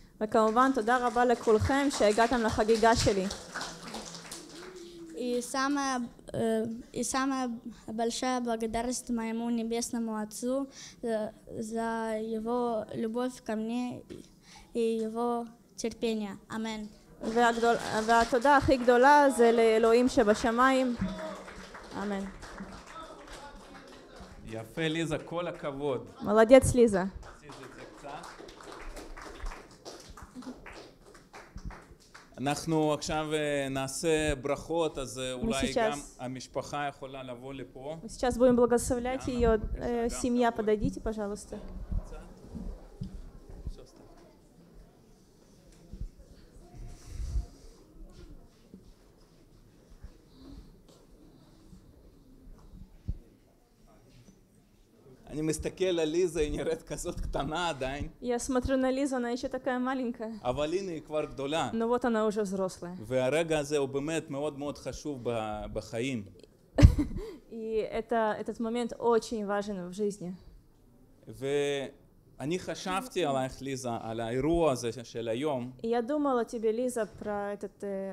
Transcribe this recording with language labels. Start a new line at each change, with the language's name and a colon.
Hebrew: וכמובן תודה רבה לכולכם שהגעתם לחגיגה שלי.
Russian: И самая большая благодарность моему небесному отцу за его любовь ко мне и его терпение. Амен.
Hebrew: והתודה הכי גדולה זה לאלוהים שבשמיים.
Russian: Амен.
Hebrew: יפה, ליזה, כל הכבוד.
Russian: Молодец, ליזה.
Hebrew: אנחנו עכשיו נעשה ברכות, אז אולי גם המשפחה יכולה לבוא לפה.
Russian: Сейчас будем благословлять её семья, подойдите, пожалуйста.
Hebrew: אני מסתכל על ליזה, היא נראית כזאת קטנה עדיין.
Russian: Я смотрю на Лизу, она ещё такая маленькая.
Hebrew: אבל הנה, היא כבר גדולה.
Russian: Но вот она уже взрослая.
Hebrew: והרגע הזה הוא באמת מאוד מאוד חשוב בחיים.
Russian: И этот момент очень важен в жизни.
Hebrew: ואני חשבתי עלייך, ליזה, על האירוע הזה של היום.
Russian: Я думала тебе, Лиза, про этот...